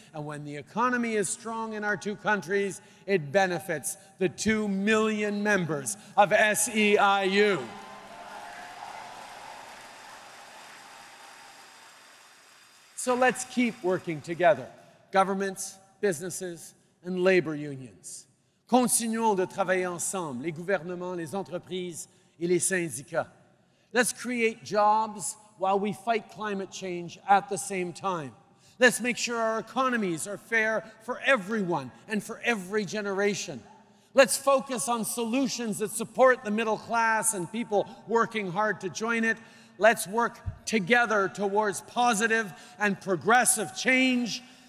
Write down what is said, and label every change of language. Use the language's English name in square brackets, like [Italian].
[English] And when the economy is strong in our two countries, it benefits the 2 million members of SEIU. So let's keep working together, governments, businesses, and labor unions. [French] Continuons de travailler ensemble, les gouvernements, les entreprises et les syndicats. [English] Let's create jobs while we fight climate change at the same time. Let's make sure our economies are fair for everyone and for every generation. Let's focus on solutions that support the middle class and people working hard to join it. Let's work together towards positive and progressive change.